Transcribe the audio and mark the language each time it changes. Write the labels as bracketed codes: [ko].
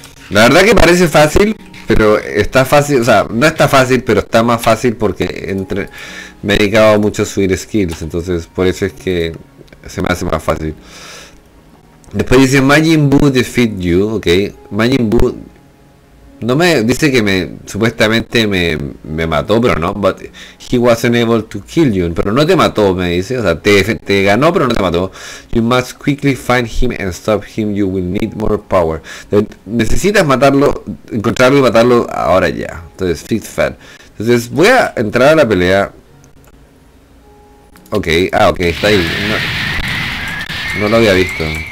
[es] La verdad que parece fácil, pero está fácil, o sea, no está fácil, pero está más fácil porque entre me he dedicado mucho a subir skills, entonces por eso es que se me hace más fácil. Después dice Majin Buu [en] defeat you, ok. [es] Majin Buu no me dice que me supuestamente me mató, pero no, [en] but he wasn't able to kill you, [es] pero no te mató, me dice, o sea, te ganó pero no te mató. [en] You must quickly find him and stop him, you will need more power. [es] Necesitas matarlo, encontrarlo y matarlo ahora ya. Entonces fix fat. Entonces voy a entrar a la pelea. Ok, ah, ok, está ahí. No, no lo había visto.